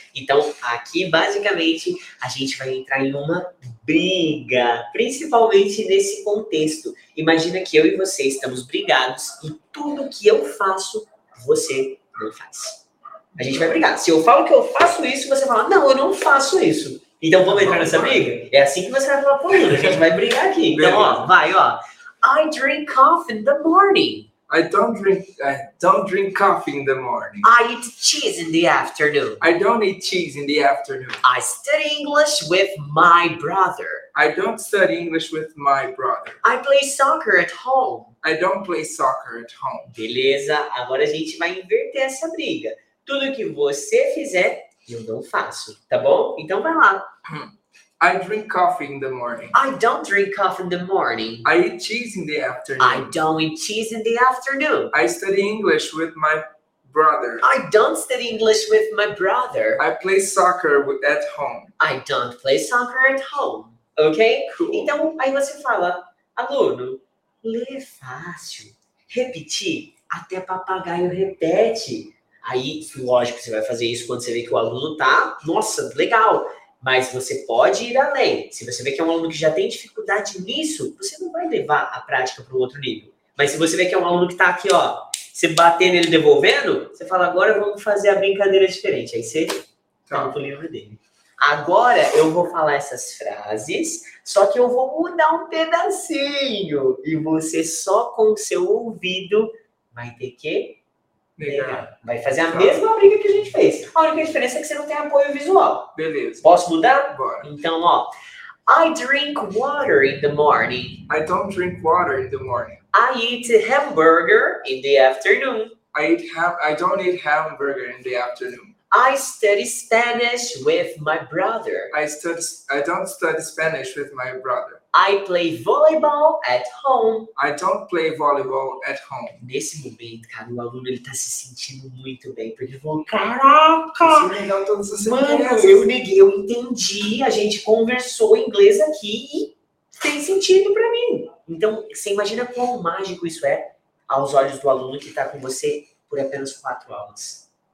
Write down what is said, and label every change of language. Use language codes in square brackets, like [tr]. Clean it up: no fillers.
[pt] Então, aqui, basicamente, a gente vai entrar em uma briga, principalmente nesse contexto. Imagina que eu e você estamos brigados e tudo que eu faço, você não faz. A gente vai brigar. Se eu falo que eu faço isso, você fala, não, eu não faço isso. Então, vamos entrar nessa briga? É assim que você vai falar para o aluno. A gente vai brigar aqui. Então, ó, vai, ó. [en] I drink coffee in the morning. I don't drink coffee in the morning. I eat cheese in the afternoon. I don't eat cheese in the afternoon. I study English with my brother. I don't study English with my brother. I play soccer at home. I don't play soccer at home. [pt] Beleza. Agora a gente vai inverter essa briga. Tudo que você fizer, eu não faço, tá bom? Então vai lá. [en] I drink coffee in the morning. I don't drink coffee in the morning. I eat cheese in the afternoon. I don't eat cheese in the afternoon. I study English with my brother. I don't study English with my brother. I play soccer at home. I don't play soccer at home. Ok? Cool. [pt] Então aí você fala, aluno, lê fácil. Repetir até papagaio repete. Aí, lógico, você vai fazer isso quando você vê que o aluno tá, nossa, legal. Mas você pode ir além. Se você vê que é um aluno que já tem dificuldade nisso, você não vai levar a prática para um outro nível. Mas se você vê que é um aluno que tá aqui, ó, você batendo ele devolvendo, você fala, agora vamos fazer a brincadeira diferente. Aí você tá no livro dele. Agora eu vou falar essas frases, só que eu vou mudar um pedacinho. E você só com o seu ouvido vai ter que negar. Vai fazer a mesma briga que a gente fez. A única diferença é que você não tem apoio visual. Beleza. Posso mudar? Bora. Então, ó. [en] I drink water in the morning. I don't drink water in the morning. I eat a hamburger in the afternoon. I don't eat hamburger in the afternoon. I study Spanish with my brother. I don't study Spanish with my brother. I play volleyball at home. I don't play volleyball at home. [pt] Nesse momento, cara, o aluno ele tá se sentindo muito bem, porque falou, caraca! Mano, eu neguei, eu entendi, a gente conversou inglês aqui e tem sentido pra mim. Então, você imagina quão mágico isso é aos olhos do aluno que tá com você por apenas 4 aulas.